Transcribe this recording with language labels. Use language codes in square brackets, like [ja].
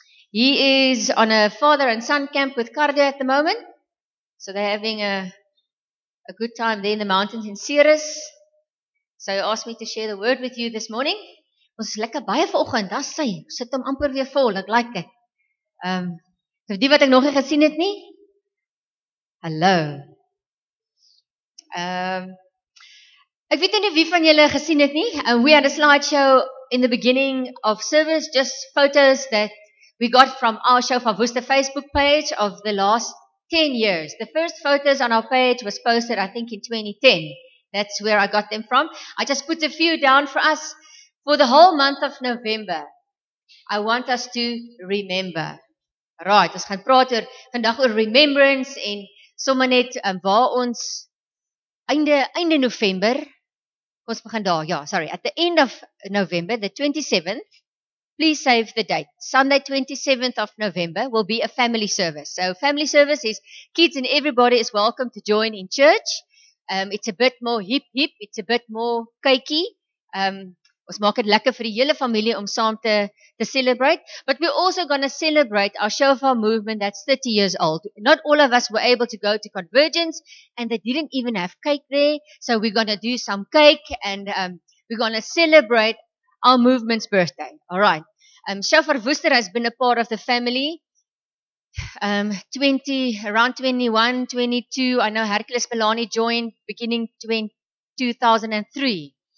[en] He is on a father and son camp with Cardia at the moment. So they're having a good time there in the mountains in Ceres. So he asked me to share the word with you this morning. [af] Ons is lekker baie vanoggend, dis sy. Sit hom amper weer vol, ek like it. Vir die wat ek nog nie gesien het nie. Hallo. Ek weet nie wie van julle gesien het nie. [en] We had a slideshow in the beginning of service, just photos that we got from our show van Worcester Facebook page of the last 10 years. The first photos on our page was posted, I think, in 2010. That's where I got them from. I just put a few down for us. For the whole month of November, I want us to remember. [af] Right, ons gaan praat oor vandag oor remembrance en sommer net waar ons einde November, ons begin daar, ja, sorry, [en] at the end of November, the 27th, please save the date. Sunday 27th of November will be a family service. So family service is kids and everybody is welcome to join in church. It's a bit more hip, it's a bit more kyky. [af] Ons maak het lekker vir die hele familie om saam te celebrate. [en] But we're also going to celebrate our Shofar movement that's 30 years old. Not all of us were able to go to Convergence and they didn't even have cake there. So we're going to do some cake and we're going to celebrate our movement's birthday. All right. Shofar Worcester has been a part of the family. Around 21, 22. I know Hercules Milani joined beginning 2003.